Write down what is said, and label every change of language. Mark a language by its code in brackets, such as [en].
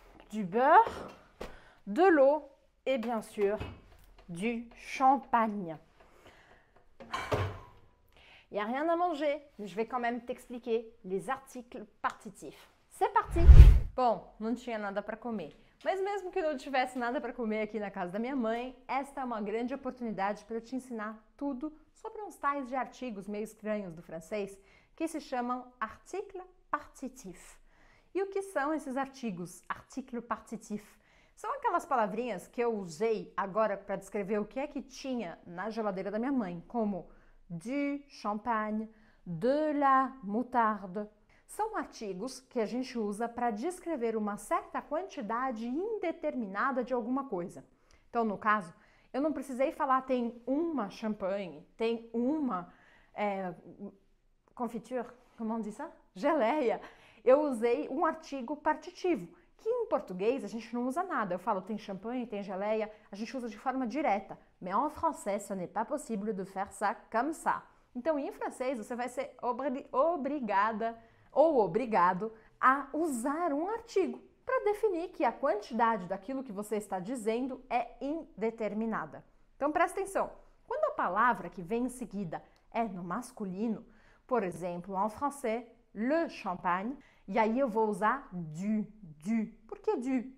[fr] Du beurre, de l'eau et bien sûr du champagne. Il n'y a rien à manger, mais je vais quand même t'expliquer les articles partitifs. C'est parti! Bon, [pt] non c'è nada para comer. Mas mesmo que não tivesse nada para comer aqui na casa da minha mãe, esta é uma grande oportunidade para eu te ensinar tudo sobre uns tais de artigos meio estranhos do francês que se chamam article partitif. E o que são esses artigos? Article partitif? São aquelas palavrinhas que eu usei agora para descrever o que é que tinha na geladeira da minha mãe, como [fr] du champagne, de la moutarde. [pt] São artigos que a gente usa para descrever uma certa quantidade indeterminada de alguma coisa. Então, no caso, eu não precisei falar tem uma champanhe, tem uma confiture, como diz isso? Geleia. Eu usei um artigo partitivo, que em português a gente não usa nada. Eu falo tem champanhe, tem geleia, a gente usa de forma direta. [fr] Mais en français, ce n'est pas possible de faire ça comme ça. [pt] Então, em francês, você vai ser obrigada ou obrigado a usar um artigo para definir que a quantidade daquilo que você está dizendo é indeterminada. Então, presta atenção. Quando a palavra que vem em seguida é no masculino, por exemplo, [fr] en français, le champagne, [pt] e aí eu vou usar du. Por que du?